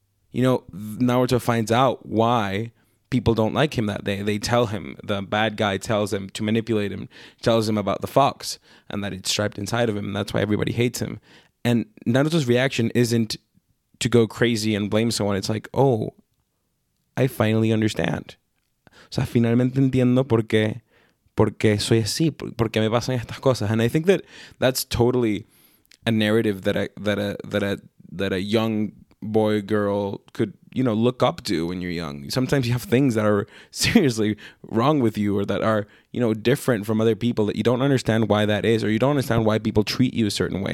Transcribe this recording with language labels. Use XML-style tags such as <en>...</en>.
<en>You know, Naruto finds out why people don't like him that day. They tell him, the bad guy tells him to manipulate him, tells him about the fox and that it's striped inside of him. And that's why everybody hates him. And Naruto's reaction isn't to go crazy and blame someone. It's like, oh, I finally understand.</en> <es>O sea, finalmente entiendo por qué soy así, por qué me pasan estas cosas.</es> <en>And I think that that's totally a narrative that a young boy, girl could, you know, look up to when you're young. Sometimes you have things that are seriously wrong with you or that are, you know, different from other people that you don't understand why that is, or you don't understand why people treat you a certain way.</en>